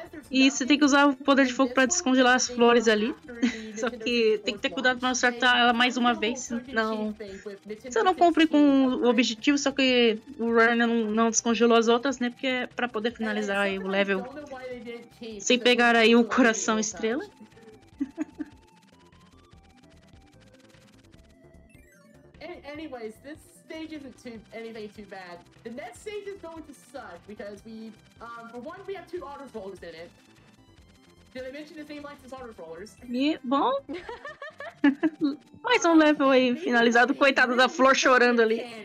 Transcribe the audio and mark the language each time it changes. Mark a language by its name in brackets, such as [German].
[Portuguese] E você tem que usar o poder de fogo pra descongelar as flores ali. Só que tem que ter cuidado pra não acertar ela mais uma vez, senão... você não cumpre com o objetivo, só que o Runner não descongelou as outras, né? Porque é pra poder finalizar aí o level sem pegar aí o coração estrela. [English] Anyways, this stage isn't too anything too bad. The next stage is going to suck because we, for one, we have two auto rollers in it. Did I mention the same likes as auto rollers? Yeah, bom. [Portuguese] Mais um level aí finalizado, coitado da flor chorando ali.